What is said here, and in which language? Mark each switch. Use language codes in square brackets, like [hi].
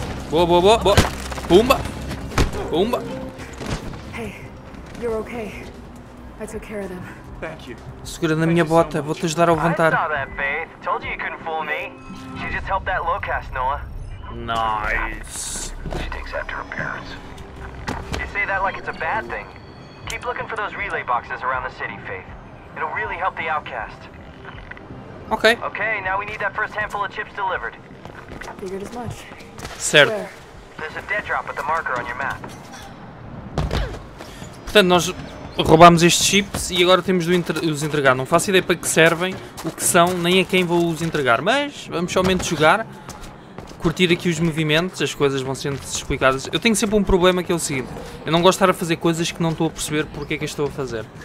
[pt] Boa. Pumba. [en] Hey, you're okay. I took care of them. Thank you. [pt] Segura na minha bota, vou-te ajudar a levantar. [en] I saw that, Faith. Told you couldn't fool me. She just helped that low-cast, Noah. Nice. She takes after her parents. You say that like it's a bad thing. Keep looking for those relay boxes around the city, Faith. It'll really help the outcast. Okay. Okay, now we need that first handful of chips delivered. Figured as much. [pt] Certo. [en] Where? There's a dead drop with the marker on your map. [pt] Portanto, nós roubámos estes chips e agora temos de os entregar. Não faço ideia para que servem, o que são, nem a quem vou os entregar. Mas vamos somente jogar, curtir aqui os movimentos, as coisas vão sendo explicadas. Eu tenho sempre um problema que é o seguinte. Eu não gosto de estar a fazer coisas que não estou a perceber porque é que eu estou a fazer.